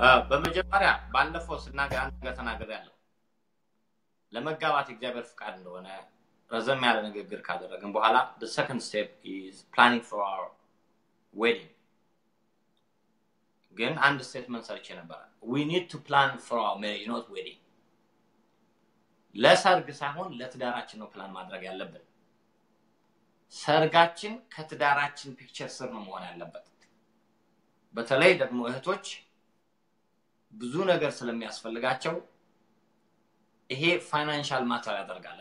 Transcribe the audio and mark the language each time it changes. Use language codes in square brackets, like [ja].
[am] በመጀመሪያ ባለፈው ስናገር ያለው ለመጋባት እግዚአብሔር ፍቃድ እንደሆነ ረዘም ያለ ንግግር ካደረግን በኋላ [en] the second step is planning for our wedding. [am] ግን አንድ [en] statement [am] ሰርቼ ነበር. [en] We need to plan for our marriage, not wedding. [am] ለሰርግ ሳይሆን ለትዳራችን ነው ፕላን ማድረግ ያለብን. ሰርጋችን ከትዳራችን ፒክቸር ስር ነው መሆን ያለበት. በተለይ ደግሞ እህቶች ብዙ ነገር ስለሚያስፈልጋቸው ይሄ ፋይናንሻል ማተር ያደርጋል.